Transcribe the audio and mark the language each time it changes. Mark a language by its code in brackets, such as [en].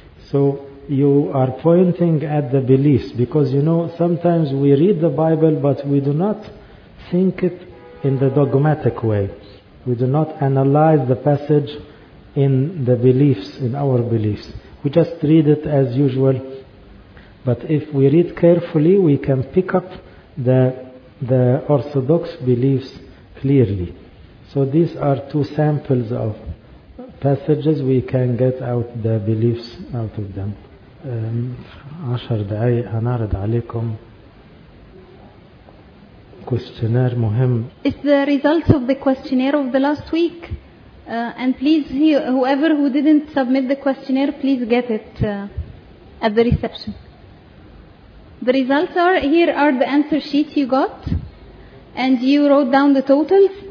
[en] So you are pointing at the beliefs, because you know sometimes we read the Bible but we do not think it in the dogmatic way, we do not analyze the passage in the beliefs, in our beliefs, we just read it as usual. But if we read carefully, we can pick up the Orthodox beliefs clearly. So these are two samples of passages. We can get out the beliefs out of them. [ar] 10 دقائق هنعرض عليكم questionnaire مهم. [en] It's the results of the questionnaire of the last week. And please, whoever who didn't submit the questionnaire, please get it at the reception. The results are, here are the answer sheets you got, and you wrote down the totals.